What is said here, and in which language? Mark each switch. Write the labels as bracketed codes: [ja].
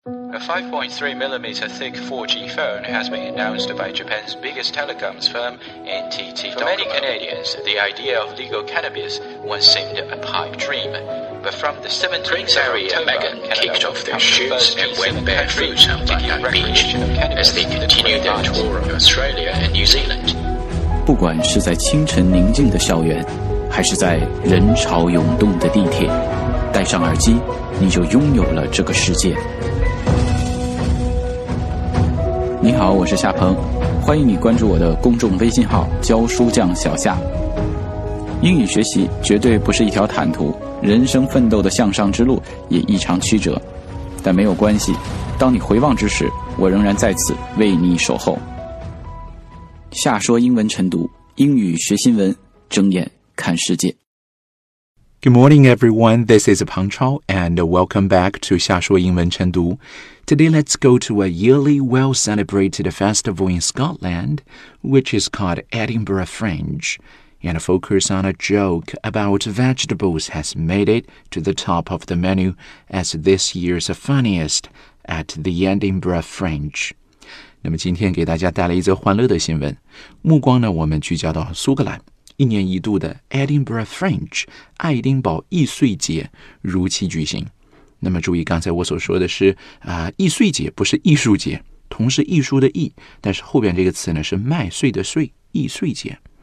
[en] A 5.3mm thick 4G phone has been announced by Japan's biggest telecoms firm, NTT Docomo. For many Canadians, the idea of legal cannabis once seemed a pipe dream. But from the 7th Prince Harry and Meghan kicked off their shoots and went barefoot on Bundang Beach as they continued their tour of Australia and New Zealand. [zh] 不管是在清晨宁静的校园，还是在人潮涌动的地铁，戴上耳机，你就拥有了这个世界。你好，我是夏鹏，欢迎你关注我的公众微信号教书匠小夏。英语学习绝对不是一条坦途，人生奋斗的向上之路也异常曲折，但没有关系，当你回望之时，我仍然在此为你守候。夏说英文晨读，英语学新闻，睁眼看世界。 [en] Good morning, everyone. This is Peng Chao, and welcome back to 夏说英文晨读。 Today, let's go to a yearly well-celebrated festival in Scotland, which is called Edinburgh Fringe, and a focus on a joke about vegetables has made it to the top of the menu as this year's funniest at the Edinburgh Fringe. [zh] 那么今天给大家带来一则欢乐的新闻，目光呢，我们聚焦到苏格兰，一年一度的 Edinburgh Fringe 爱丁堡易碎节如期举行。那么注意刚才我所说的是易碎节，不是艺术节，同是艺术的艺，但是后边这个词呢是麦穗的穗，易碎节。